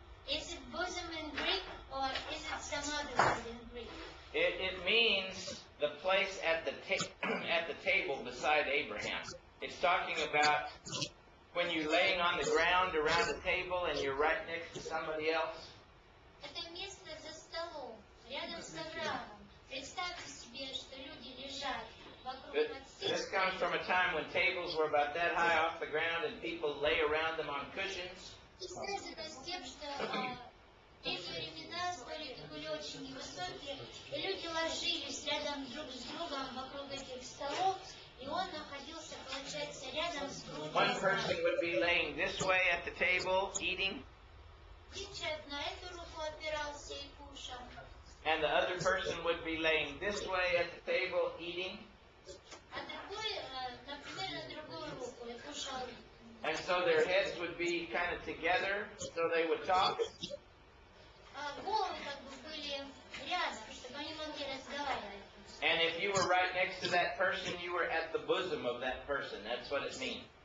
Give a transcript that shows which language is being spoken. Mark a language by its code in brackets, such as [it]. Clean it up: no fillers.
[en] Is it bosom in Greek or is it some other word in Greek? It means the place at the table beside Abraham. It's talking about when you're laying on the ground around the table and you're right next to somebody else. [ru] Это место за столом, рядом с Авраамом. Представьте себе, что люди лежат вокруг. [en] This comes from a time when tables were about that high off the ground and people lay around them on cushions. [ru] Эти времена столики были очень невысокие, и люди ложились рядом друг с другом вокруг этих столов, и он находился, получается, рядом с другом. [en] One person would be laying this way at the table, eating. [ru] Один человек на эту руку опирался и кушал. [en] And the other person would be laying this way at the table, eating. [ru] А другой, например, на другую руку и кушал. [en] And so their heads would be kind of together, so they would talk. And if you were right next to that person, you were at the bosom of that person. That's what it means.